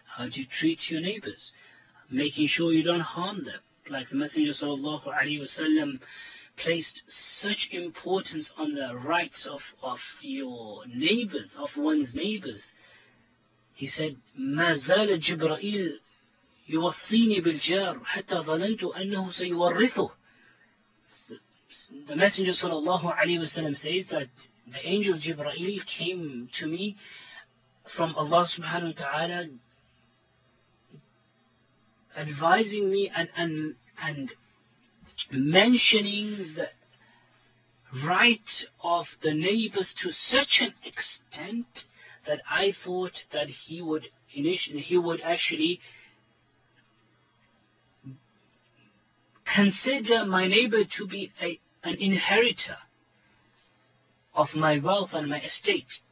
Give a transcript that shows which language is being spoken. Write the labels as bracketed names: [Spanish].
[English] How do you treat your neighbors? Making sure you don't harm them. Like the Messenger sallallahu alayhi wa sallam placed such importance on the rights of your neighbors, of one's neighbors. He said, [Arabic] مَا زَالَ جِبْرَئِيلُ يُوَصِّينِ بِالْجَارُ حَتَّى ظَنَنْتُ أَنَّهُ سَيُوَرِّثُهُ. [English] The Messenger sallallahu alayhi wa sallam says that the angel Jibreel came to me from Allah subhanahu wa ta'ala advising me and mentioning the right of the neighbors to such an extent that I thought that he would actually consider my neighbor to be an inheritor of my wealth and my estate.